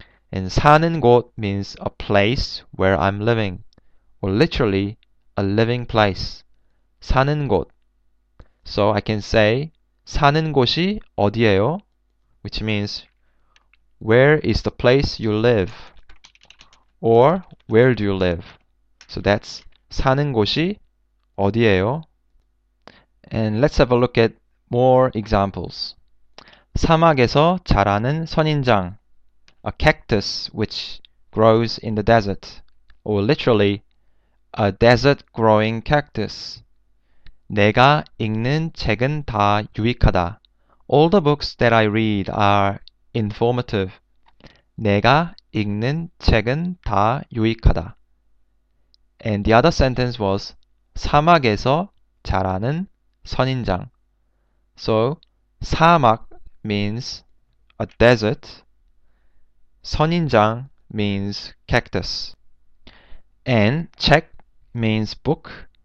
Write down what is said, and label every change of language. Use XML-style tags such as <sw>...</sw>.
<en>And</en> <ko>사는 곳</ko> <en>means a place where I'm living. Or literally, a living place.</en> <ko>사는 곳.</ko> <en>So I can say</en> <ko>사는 곳이 어디예요?</ko> <en>Which means where is the place you live? Or where do you live? So that's</en> <ko>사는 곳이 어디예요?</ko> <en>And let's have a look at more examples.</en> <ko>사막에서 자라는 선인장.</ko> <en>A cactus which grows in the desert. Or literally a desert growing cactus.</en> <ko>내가 읽는 책은 다 유익하다. All the books that I read are informative. 내가 읽는 책은 다 유익하다.</ko> <en>And the other sentence was</en> <ko>사막에서 자라는 선인장.</ko> <en>So, 사막 means a desert. 선인장 means cactus. And 책 means book.</en>